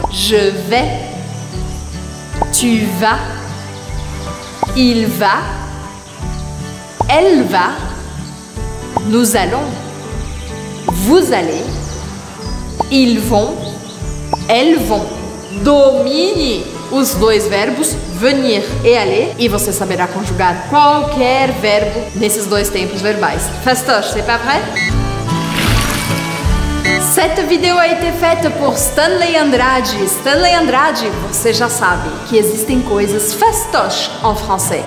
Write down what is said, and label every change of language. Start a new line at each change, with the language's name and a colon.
French: Je vais. Tu vas. Il va. Elle va. Nous allons. Vous allez. Ils vont. Elles vont.
Portuguese: Domine os dois verbos venir e aller e você saberá conjugar qualquer verbo nesses dois tempos verbais.
French: Fastoche, c'est pas vrai? Cette vidéo a été faite por Stanley Andrade.
Portuguese: Stanley Andrade, você já sabe que existem coisas fastoche
French: en français.